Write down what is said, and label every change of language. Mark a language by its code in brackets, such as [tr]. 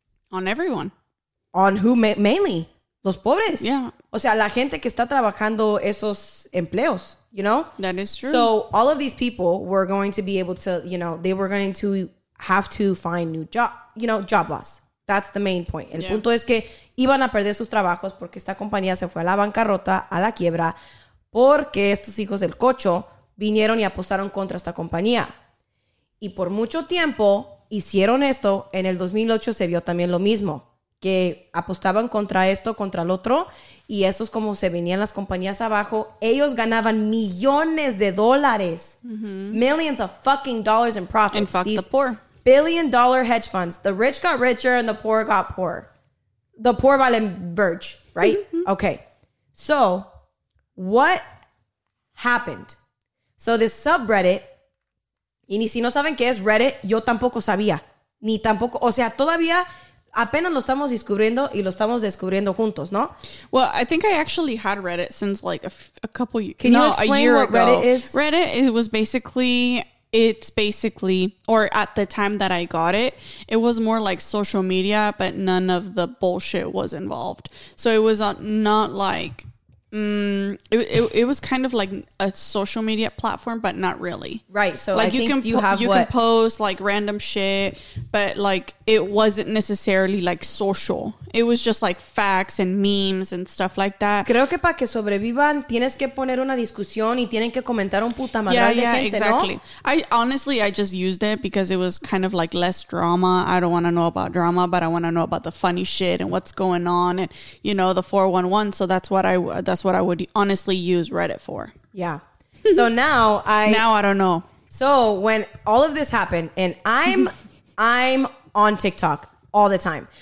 [en] On everyone. On who mainly? [es] Los pobres. [en] Yeah. [es] O sea, la gente que está trabajando esos empleos, [en] you know? That is true. So all of these people were going to be able to, you know, they were going to have to find new job, you know, job loss. That's the main point. [es] El punto es que iban a perder sus trabajos porque esta compañía se fue a la bancarrota, a la quiebra, porque estos hijos del cocho vinieron y apostaron contra esta compañía. Y por mucho tiempo... Hicieron esto, en el 2008 se vio también lo mismo, que apostaban contra esto, contra el otro, y eso es como se venían las compañías abajo. Ellos ganaban millones de dólares. Mm-hmm. [en] Millions of fucking dollars in profits. And fuck these the poor. Billion dollar hedge funds. The rich got richer and the poor got poor. The poor valen verge, right? Mm-hmm. Okay. So, what happened? So, this subreddit... [es] Y ni si no saben qué es Reddit, yo tampoco sabía. Ni tampoco, o sea, todavía apenas lo estamos descubriendo y lo estamos descubriendo juntos, ¿no? [en] Well, I think I actually had Reddit since like a couple years. Can you explain what ago. Reddit is? Reddit, it was basically, it's basically, or at the time that I got it, it was more like social media, but none of the bullshit was involved. So it was not like, it was kind of like a social media platform, but not really. Right. So like I you can post like random shit, but like it wasn't necessarily like social. It was just like facts and memes and stuff like that. [es] Creo que para que sobrevivan tienes que poner una discusión y tienen que comentar un puta madre de gente, [en] exactly. [es] ¿No? [en] I honestly I just used it because it was kind of like less drama. I don't want to know about drama, but I want to know about the funny shit and what's going on and you know the 411. So that's what I would honestly use Reddit for. Yeah. So now I don't know. So when all of this happened and I'm I'm on TikTok all the time.